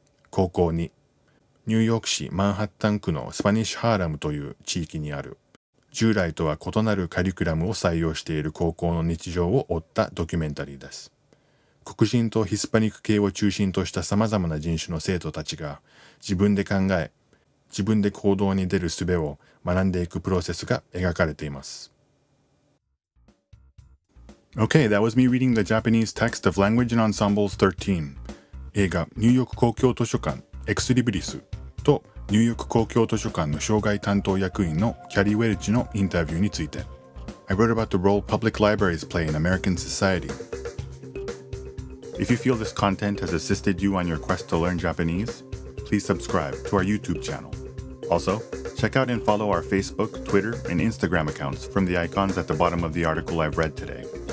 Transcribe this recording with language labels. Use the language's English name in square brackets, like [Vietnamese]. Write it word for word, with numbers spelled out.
[Japanese] 高校に、ニューヨーク市マンハッタン区のスパニッシュハーラムという地域にある、従来とは異なるカリキュラムを採用している高校の日常を追ったドキュメンタリーです。黒人とヒスパニック系を中心とした様々な人種の生徒たちが自分で考え、自分で行動に出る術を学んでいくプロセスが描かれています。 [English] Okay, that was me reading the Japanese text of Language and Ensembles [Japanese] じゅうさん。映画ニューヨーク公共図書館エクスリブリスとニューヨーク公共図書館の障害担当役員のキャリー・ウェルチのインタビューについて。 [English] I wrote about the role public libraries play in American society. If you feel this content has assisted you on your quest to learn Japanese, please subscribe to our YouTube channel. Also, check out and follow our Facebook, Twitter, and Instagram accounts from the icons at the bottom of the article I've read today.